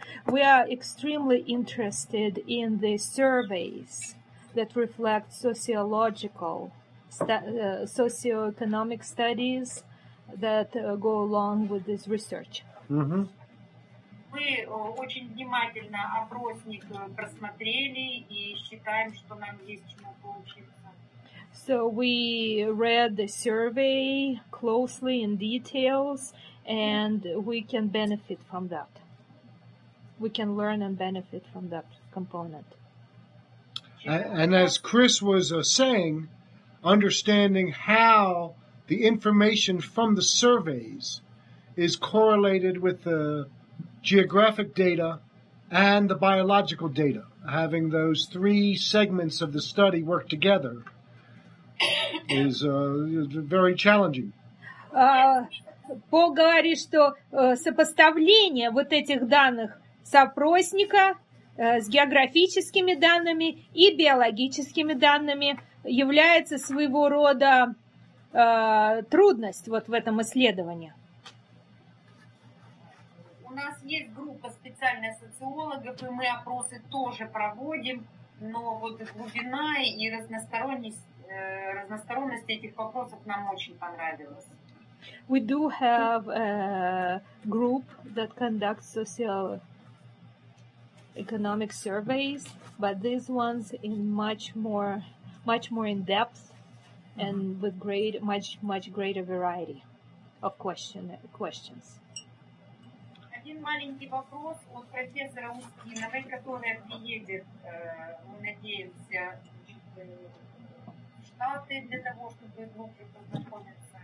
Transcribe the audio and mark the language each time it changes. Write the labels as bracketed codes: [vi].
[en] We are extremely interested in the surveys that reflect sociological, socioeconomic studies that go along with this research. [ru] Мы очень внимательно опросник просмотрели и считаем, что нам есть чему поучиться. [en] So we read the survey closely in details, and we can benefit from that. We can learn and benefit from that. component. And as Chris was saying, understanding how the information from the surveys is correlated with the geographic data and the biological data, having those three segments of the study work together is very challenging. [ru] Пол говорит, что сопоставление вот этих данных с опросника с географическими данными и биологическими данными является своего рода трудность вот в этом исследовании. У нас есть группа специальных социологов, и мы опросы тоже проводим, но вот глубина и разносторонность этих вопросов нам очень понравилась. [en] We do have a group that conducts socioeconomic surveys, but these ones in much more in depth and with much greater variety of questions. [ru] Один маленький вопрос от профессора Устиновой, которая приедет, мы надеемся, в Штаты для того, чтобы глубже познакомиться.